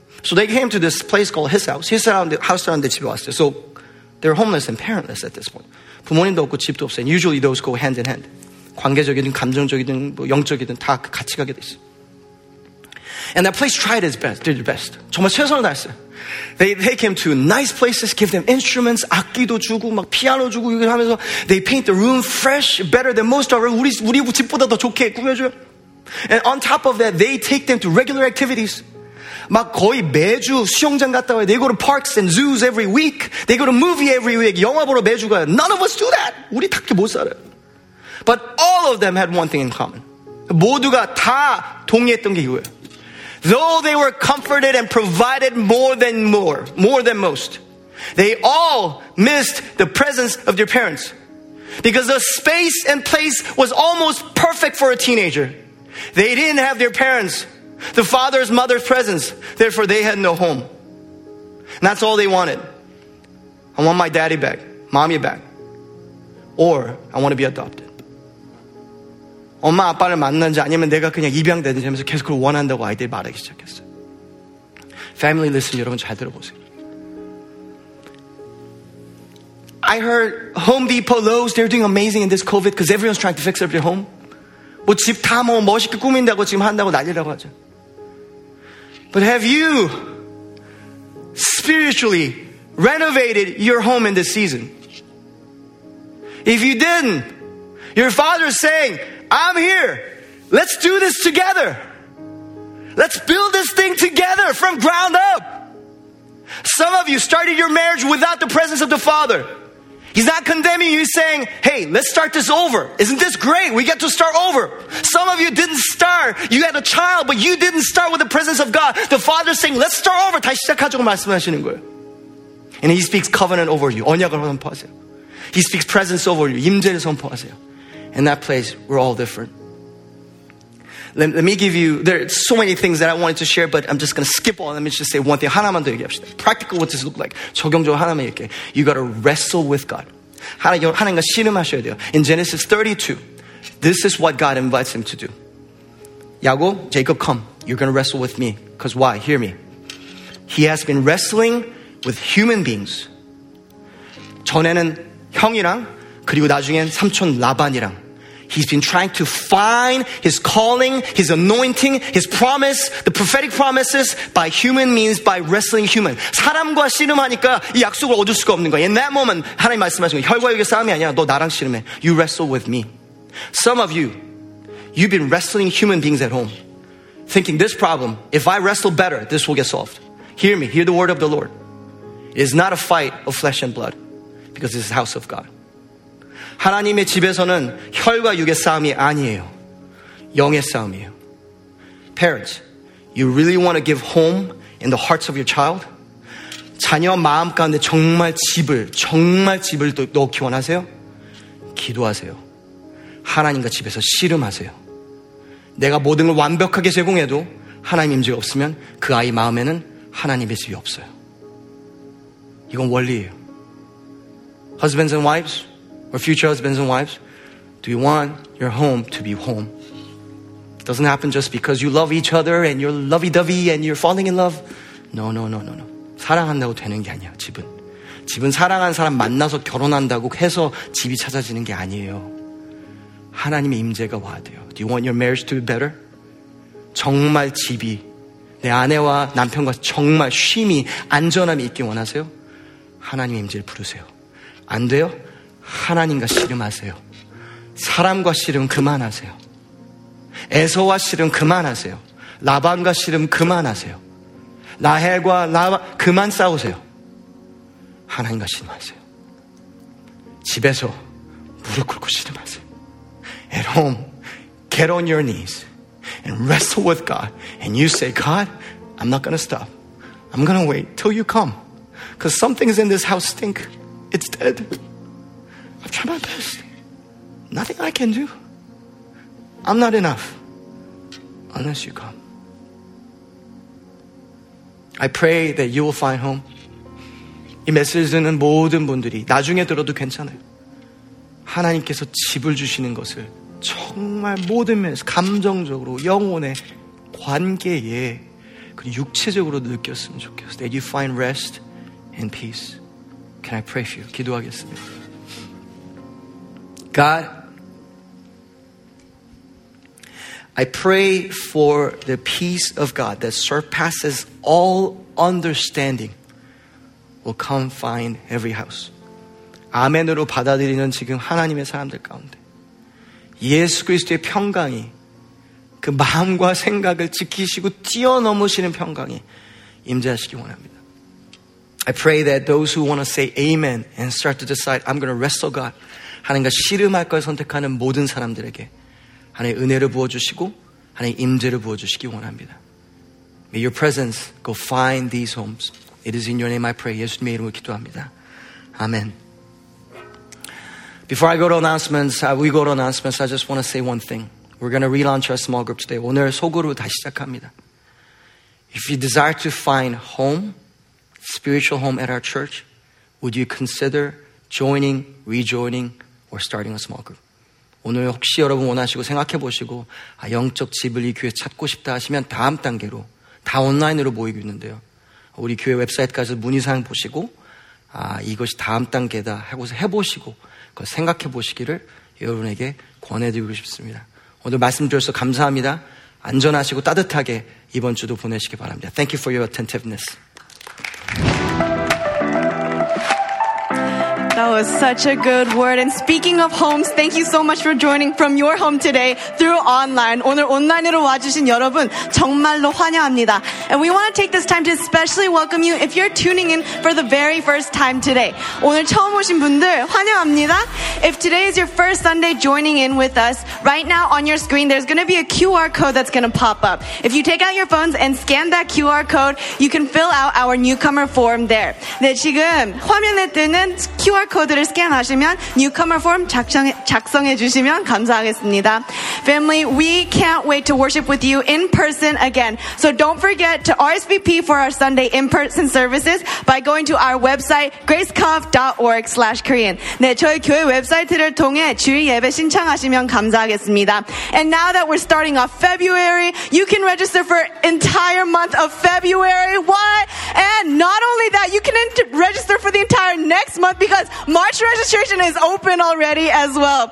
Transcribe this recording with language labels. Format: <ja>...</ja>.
<en>So they came to this place called his house. His house around the</en> <ko>집에 왔어요.</ko> <en>So they're homeless and parentless at this point.</en> <ko>부모님도 없고 집도 없어요.</ko> <en>Usually those go hand in hand.</en> <ko>관계적이든 감정적이든 뭐 영적이든 다 같이 가게 돼 있어.</ko> <en>And that place tried its best, did its best.</en> <ko>정말 최선을 다했어요.</ko> <en>They came to nice places, give them instruments,</en> <ko>악기도 주고 막 피아노 주고 이렇게 하면서</ko> <en>they paint the room fresh, better than most of our</en> <ko>우리 집보다 더 좋게 꾸며줘요.</ko> <en>And on top of that, they take them to regular activities.</en> <ko>막 거의 매주 수영장 갔다 와요.</ko> <en>They go to parks and zoos every week. They go to movie every week.</en> <ko>영화 보러 매주 가요.</ko> <en>None of us do that.</en> <ko>우리 딱히 못 살아요.</ko> <en>But all of them had one thing in common.</en> <ko>모두가 다 동의했던 게 이거예요.</ko> <en>Though they were comforted and provided more than most, they all missed the presence of their parents. Because the space and place was almost perfect for a teenager. They didn't have their parents, the father's mother's presence. Therefore, they had no home. And that's all they wanted. I want my daddy back, mommy back. Or I want to be adopted.</en> <ko>엄마 아빠를 만난지 아니면 내가 그냥 입양되는지 하면서 계속 그걸 원한다고 아이들이 말하기 시작했어요.</ko> <en>Family, listen,</en> <ko>여러분 잘 들어보세요.</ko> <en>I heard Home Depot, Lowe's, they're doing amazing in this COVID because everyone's trying to fix up their home.</en> <ko>뭐 집 다 뭐 멋있게 꾸민다고 지금 한다고 난리라고 하죠.</ko> <en>But have you spiritually renovated your home in this season? If you didn't, your father's saying, I'm here. Let's do this together. Let's build this thing together from ground up. Some of you started your marriage without the presence of the Father. He's not condemning you. He's saying, hey, let's start this over. Isn't this great? We get to start over. Some of you didn't start. You had a child, but you didn't start with the presence of God. The Father's saying, let's start over.</en> <ko>다시 시작하자고 말씀하시는 거예요.</ko> <en>And he speaks covenant over you.</en> <ko>언약을 선포하세요.</ko> <en>He speaks presence over you.</en> <ko>임재를 선포하세요.</ko> <en>In that place, we're all different. Let me give you, there are so many things that I wanted to share, but I'm just going to skip all. Let me just say one thing.</en> <ko>하나만 더 얘기합시다.</ko> <en>Practical, what does this look like?</en> <ko>적용적으로 하나만 얘기해.</ko> <en>You got to wrestle with God.</en> <ko>하나님과 씨름하셔야 돼요.</ko> <en>In Genesis 32, this is what God invites him to do. 야곱, Jacob, come. You're going to wrestle with me. Because why? Hear me. He has been wrestling with human beings.</en> <ko>전에는 형이랑 그리고 나중엔 삼촌 라반이랑</ko> <en>He's been trying to find his calling, his anointing, his promise, the prophetic promises by human means, by wrestling human.</en> <ko>사람과 씨름하니까 이 약속을 얻을 수가 없는 거야.</ko> <en>In that moment,</en> <ko>하나님 말씀하신 거예요. 혈과 육의 싸움이 아니야. 너 나랑 씨름해.</ko> <en>You wrestle with me. Some of you, you've been wrestling human beings at home, thinking this problem, if I wrestle better, this will get solved. Hear me. Hear the word of the Lord. It is not a fight of flesh and blood, because this is the house of God.</en> <ko>하나님의 집에서는 혈과 육의 싸움이 아니에요. 영의 싸움이에요.</ko> <en>Parents, you really want to give home in the hearts of your child?</en> <ko>자녀 마음 가운데 정말 집을 넣기 원하세요? 기도하세요. 하나님과 집에서 씨름하세요. 내가 모든 걸 완벽하게 제공해도 하나님 임재가 없으면 그 아이 마음에는 하나님의 집이 없어요. 이건 원리예요.</ko> <en>Husbands and wives, or future husbands and wives, do you want your home to be home? It doesn't happen just because you love each other and you're lovey-dovey and you're falling in love. No.</en> <ko>사랑한다고 되는 게 아니야, 집은. 집은 사랑하는 사람 만나서 결혼한다고 해서 집이 찾아지는 게 아니에요. 하나님의 임재가 와야 돼요. Do you want your marriage to be better? 정말 집이, 내 아내와 남편과 정말 쉼이, 안전함이 있길 원하세요? 하나님의 임재를 부르세요. 안 돼요? 하나님과 씨름하세요. 사람과 씨름 그만하세요. 에서와 씨름 그만하세요. 라반과 씨름 그만하세요. 라헬과 라반 그만 싸우세요. 하나님과 씨름하세요. 집에서 무릎 꿇고 씨름하세요.</ko> <en>At home, get on your knees and wrestle with God. And you say, God, I'm not going to stop. I'm going to wait till you come. Because some things in this house stink. It's dead. I've tried my best. Nothing I can do. I'm not enough. Unless you come. I pray that you will find home.</en> <ko>이 메시지는 모든 분들이 나중에 들어도 괜찮아요. 하나님께서 집을 주시는 것을 정말 모든 면에서 감정적으로 영혼의 관계에 그리고 육체적으로 느꼈으면 좋겠어요.</ko> <en>That you find rest and peace. Can I pray for you?</en> <ko>기도하겠습니다.</ko> <en>God, I pray for the peace of God that surpasses all understanding will come find every house.</en> <ko>아멘으로 받아들이는 지금 하나님의 사람들 가운데 예수 그리스도의 평강이 그 마음과 생각을 지키시고 뛰어넘으시는 평강이 임재하시기 원합니다.</ko> <en>I pray that those who want to say amen and start to decide I'm going to wrestle God,</en> <ko>하나님과 씨름할 걸 선택하는 모든 사람들에게 하나님의 은혜를 부어주시고 하나님의 임재를 부어주시기 원합니다.</ko> <en>May your presence go find these homes. It is in your name I pray.</en> <ko>예수님의 이름으로 기도합니다.</ko> <en>아멘. Before I go to announcements, we go to announcements, I just want to say one thing. We're going to relaunch our small group today.</en> <ko>오늘 소그룹 다시 시작합니다.</ko> <en>If you desire to find home, spiritual home at our church, would you consider joining, rejoining, or starting a small group?</en> <ko>오늘 혹시 여러분 원하시고 생각해 보시고 아, 영적 집을 이 교회 찾고 싶다 하시면 다음 단계로 다 온라인으로 모이고 있는데요. 우리 교회 웹사이트까지 문의사항 보시고 아, 이것이 다음 단계다 하고 해보시고 그 생각해 보시기를 여러분에게 권해드리고 싶습니다. 오늘 말씀 주셔서 감사합니다. 안전하시고 따뜻하게 이번 주도 보내시기 바랍니다.</ko> <en>Thank you for your attentiveness. That was such a good word. And speaking of homes, thank you so much for joining from your home today through online.</en> <ko>오늘 온라인으로 와주신 여러분 정말로 환영합니다.</ko> <en>And we want to take this time to especially welcome you if you're tuning in for the very first time today. 오늘 처음 오신 분들 환영합니다. If today is your first Sunday joining in with us, right now on your screen there's going to be a QR code that's going to pop up. If you take out your phones and scan that QR code, you can fill out our newcomer form there.</en> <ko>네, 지금 화면에 뜨는 QR 코드를 스캔하시면 newcomer form 작성해 주시면 감사하겠습니다.</ko> <en>Family, we can't wait to worship with you in person again. So don't forget to RSVP for our Sunday in-person services by going to our website gracecov.org/korean.</en> <ko>네, 저희 교회 웹사이트를 통해 주일 예배 신청하시면 감사하겠습니다.</ko> <en>And now that we're starting off February, you can register for entire month of February. What? And not only that, you can register for the entire next month. month because March registration is open already as well.</en>